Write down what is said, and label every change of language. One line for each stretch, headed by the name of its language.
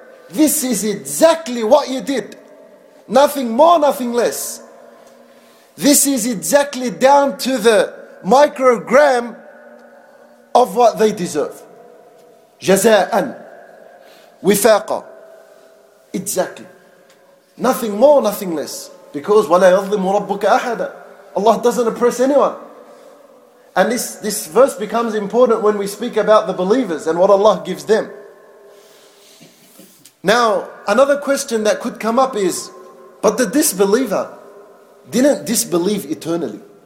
English: This is exactly what you did. Nothing more, nothing less. This is exactly down to the microgram of what they deserve.
Arabic: جزاءً وفاقا. Exactly.
English: Nothing more, nothing less.
Arabic: Because وَلَا يَظْلِمُ رَبُّكَ أَحَدًا.
English: Allah doesn't oppress anyone. And this verse becomes important when we speak about the believers and what Allah gives them. Now, another question that could come up is, but the disbeliever didn't disbelieve eternally.